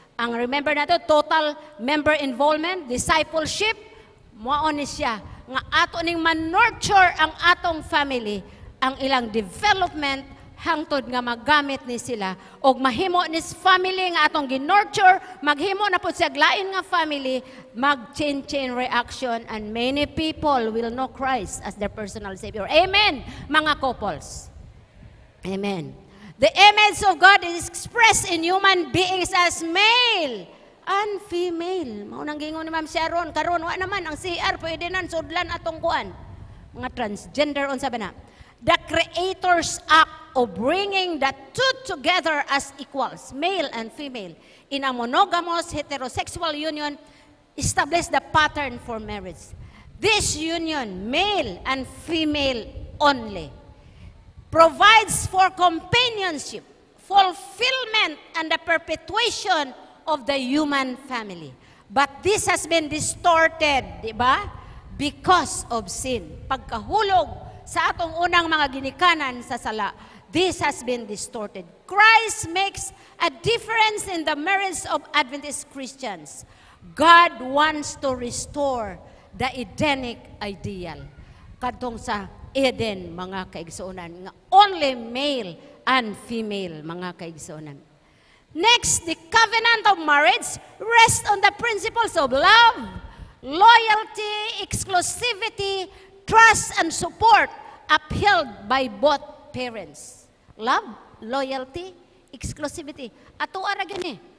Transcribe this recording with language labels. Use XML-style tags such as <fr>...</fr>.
<ceb>Ang remember nato, total member involvement, discipleship, mao ni siya nga ato ning man-nurture ang atong family, ang ilang development hangtod nga magamit ni sila og mahimo ni family nga atong ginurture, maghimo na pud siyag lain nga family, mag-chain reaction,</ceb> <en>and many people will know Christ as their personal savior.</en> <ceb>Amen, mga couples. Amen.</ceb> <en>The image of God is expressed in human beings as male and female.</en> <ceb>Mao nang gingon ni Ma'am Sharon, karon wa naman ang CR, pwede nan sudlan atong kuan. Mga transgender unsa ba na?</ceb> <en>The Creator's act of bringing the two together as equals, male and female, in a monogamous heterosexual union establish the pattern for marriage. This union, male and female only, provides for companionship, fulfillment, and the perpetuation of the human family. But this has been distorted,</en> <tl>di ba?</tl> <en>Because of sin.</en> <ceb>Pagkahulog sa atong unang mga ginikanan sa sala,</ceb> <en>this has been distorted. Christ makes a difference in the marriage of Adventist Christians. God wants to restore the Edenic ideal.</en> <ceb>Kadtong sa Eden, mga kaigsoonan.</ceb> <en>Only male and female,</en> <ceb>mga kaigsoonan.</ceb> <en>Next, the covenant of marriage rests on the principles of love, loyalty, exclusivity, trust, and support upheld by both parents. Love, loyalty, exclusivity.</en> <ceb>Ato ara gani.</ceb>